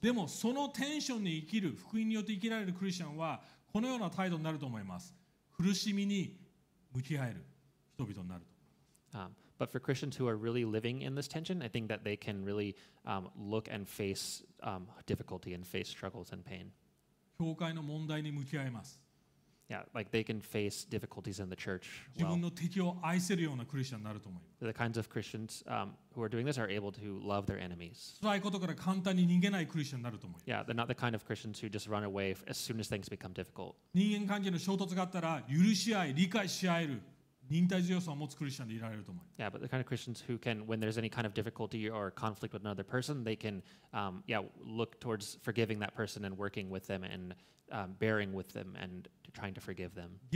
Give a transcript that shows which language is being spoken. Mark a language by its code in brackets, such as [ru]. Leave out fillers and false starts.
[ja] でもそのテンションに生きる福音によって生きられるクリスチャンはこのような態度になると思います。苦しみに向き合える人々になると。 [en] But for Christians who are really living in this tension, I think that they can really look and face difficulty and face struggles and pain. [ja] 教会の問題に向き合います。 [en] Yeah, like they can face difficulties in the church. Well, the kinds of Christians who are doing this are able to love their enemies. They're not the kind of Christians who just run away as soon as things become difficult. But the kind of Christians who can, when there's any kind of difficulty or conflict with another person, they can look towards forgiving that person and working with them and bearing with them and trying to forgive them.